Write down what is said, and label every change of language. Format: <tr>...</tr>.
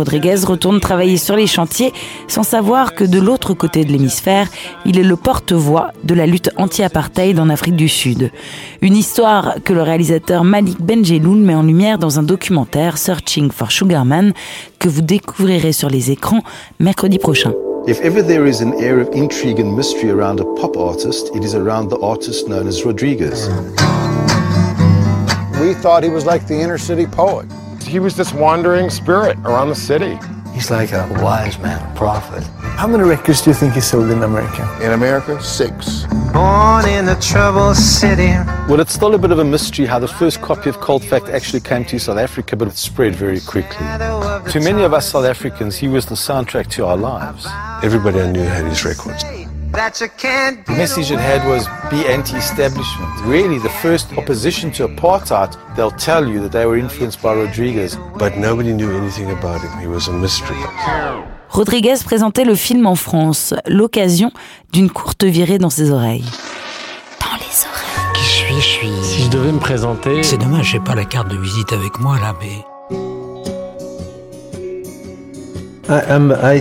<fr>Rodriguez retourne travailler sur les chantiers sans savoir que de l'autre côté de l'hémisphère, il est le porte-voix de la lutte anti-apartheid en Afrique du Sud. Une histoire que le réalisateur Malik Benjelloun met en lumière dans un documentaire « Searching for Sugar Man » que vous découvrirez sur les écrans mercredi prochain.</fr> <en>If ever there is an air of intrigue and mystery around a pop artist, it is around the artist known as Rodriguez. We thought he was like the inner city poet. He was this wandering spirit around the city. He's like a wise man, a prophet. How many records do you think he sold in America? In America, six. Born in a troubled city. Well, it's still a bit of a mystery how the first copy of Cold Fact actually came to South Africa, but it spread very quickly. To many of us South Africans, he was the soundtrack to our lives. Everybody I knew had his records. That you can't get. The message it had was be anti-establishment. Really, the first opposition to apartheid, they'll tell you that they were influenced by Rodriguez. But nobody knew anything about him. He was a mystery.</en> <fr>Rodriguez présentait le film en France, l'occasion d'une courte virée dans ses oreilles. Dans les oreilles. Qui suis-je? Si je devais me présenter. C'est dommage, j'ai pas la carte de visite avec moi là, mais.</fr>